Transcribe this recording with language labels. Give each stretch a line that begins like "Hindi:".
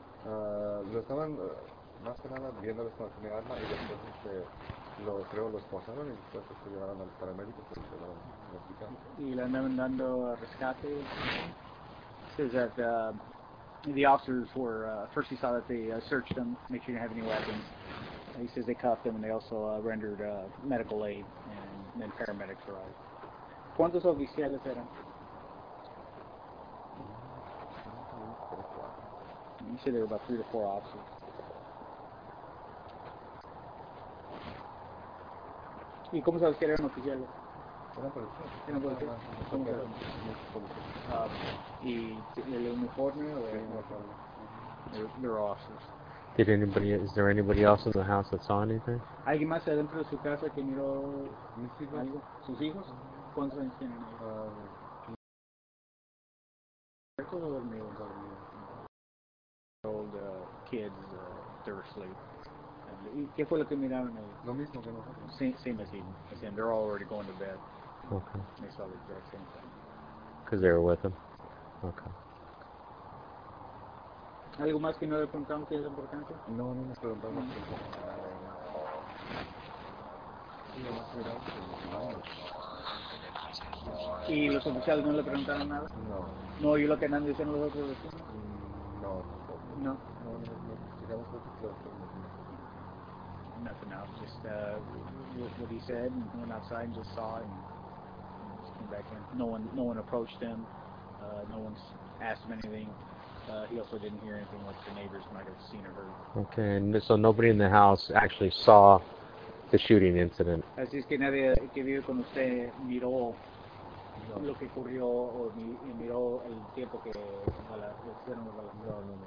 Spanish: Lo estaban más que nada viéndoles con el arma y después lo esposaron y después se llevaron al paramédico y se lo ¿Y le andaban dando rescate?
English: Says that the officers were, first he saw that they searched them, make sure they didn't have any weapons. He says they cuffed them and they also rendered medical aid. And then paramedics arrived.
Spanish: ¿Cuántos oficiales eran?
English: You said there were about 3 to 4 officers.
Spanish: ¿Y cómo sabes que eran oficiales? ¿Eran policías? ¿Eran policías? ¿Cómo eran? ¿Y el uniforme? Sí,
English: they're officers. Is there anybody else in the house that saw anything?
Spanish: ¿Alguien más adentro de su casa que miró mis hijos? ¿Algo? ¿Sus hijos? ¿Cuántos años tienen ellos?
English: Dormidos. Old kids, they're asleep.
Spanish: ¿Y qué fue lo que miraron ellos? Lo mismo que nosotros.
English: Same as Eden. As in, they're already going to bed. Okay. They saw the exact same thing. Because they were with them? Okay.
Spanish: ¿Algo más que no le preguntamos que es importante? No, no nos preguntamos. ¿Y los oficiales no le preguntaron nada? No. ¿No oyó lo que andan diciendo los otros vecinos? No.
English: Nothing else, just what he said, and went outside and just saw and just came back in. No one approached him, no one asked him anything. He also didn't hear anything like the neighbors might have seen or heard. Okay, and so nobody in the house actually saw the shooting incident.
Spanish: Así es que nadie que vive con usted miró lo que ocurrió o miró el tiempo que hicieron los balazos.